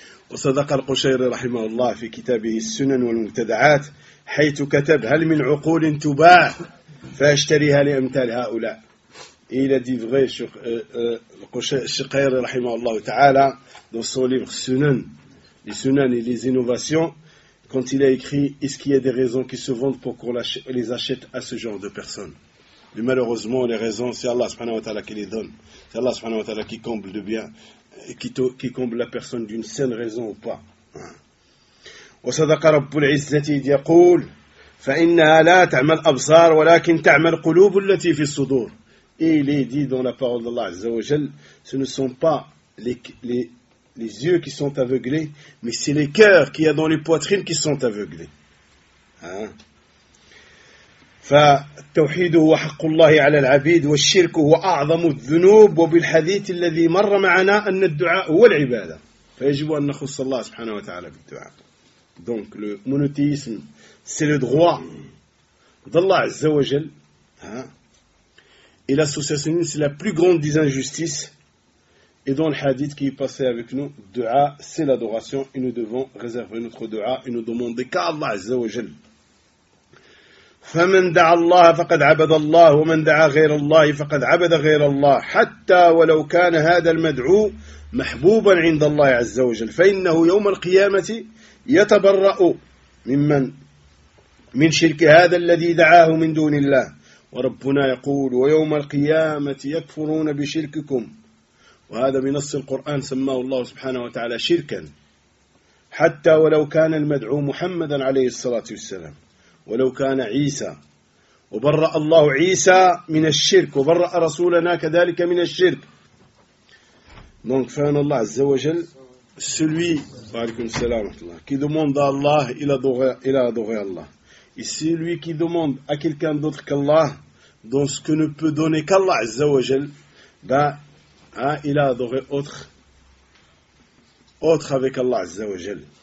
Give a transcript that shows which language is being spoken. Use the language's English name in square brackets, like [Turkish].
[Arabic] وصدق القشيري رحمه الله في كتابه السنن والمبتدعات حيث كتب هل من عقول تباع فاشتريها لأمثال هؤلاء [French] il a dit vrai sur Shiqairi rahimahullah ta'ala dans son livre Sunan, les Sunan et les innovations, quand il a écrit est-ce qu'il y a des raisons qui se vendent pour qu'on les achète à ce genre de personnes. Mais malheureusement, les raisons, c'est Allah subhanahu wa ta'ala qui les donne. C'est Allah subhanahu wa ta'ala qui comble le bien, qui comble la personne d'une saine raison ou pas. [Arabic] وصدق رب العزة يقول فإنها لا تعمل أبصار ولكن تعمل قلوب التي في الصدور. [French] Il est dit dans la parole d'Allah Azza wa Jal, ce ne sont pas les yeux qui sont aveuglés, mais c'est les cœurs qu'il y a dans les poitrines qui sont aveuglés. [Arabic] فالتوحيد هو حق الله على العبيد والشرك هو أعظم الذنوب وبالحديث الذي مر معنا أن الدعاء هو العبادة فيجب أن نخص الله سبحانه وتعالى بالدعاء. [French] Donc le monothéisme, c'est le droit d'Allah Azza wa Jal. Et l'associationnisme, c'est la plus grande des injustices. Et dans le hadith qui est passé avec nous, dua, c'est l'adoration. Et nous devons réserver notre dua et nous demander qu'à Allah Azza wa Jal. [Arabic] فَمَنْ دَعَ اللَّهَ فَقَدْ عَبَدَ اللَّهُ وَمَنْ دَعَ غَيْرَ اللَّهِ فَقَدْ عَبَدَ غَيْرَ اللَّهِ حَتَّى وَلَوْ كَانَ هَذَا الْمَدْعُو مَحْبُوبًا عِنْدَ اللَّهِ عَزَّ وَجَلْ فَإِنَّهُ يَوْمَ الْقِيَامَةِ يَتَبَرَّأُ مِنْ شِرْكِ هَذَا الَّذِي دَعَاهُ مِنْ دُونِ اللَّهِ وَرَبُّنَا يَقُولُ وَيَوْمَ الْقِيَامَةِ يَكْفُرُونَ بِشِرْكِكُمْ. وهذا بنص القرآن سماه الله سبحانه وتعالى شركا حتى ولو كان المدعو محمدا عليه الصلاة والسلام ولو كان عيسى وبرأ الله عيسى من الشرك وبرأ رسولنا كذلك من الشرك. [French] Donc, faisons Allah Azza wa Jal, celui qui demande à Allah, il adore Allah. Et celui qui demande à quelqu'un d'autre qu'Allah, dans ce que ne peut donner qu'Allah Azza wa Jal, il a adoré autre avec Allah Azza wa Jal.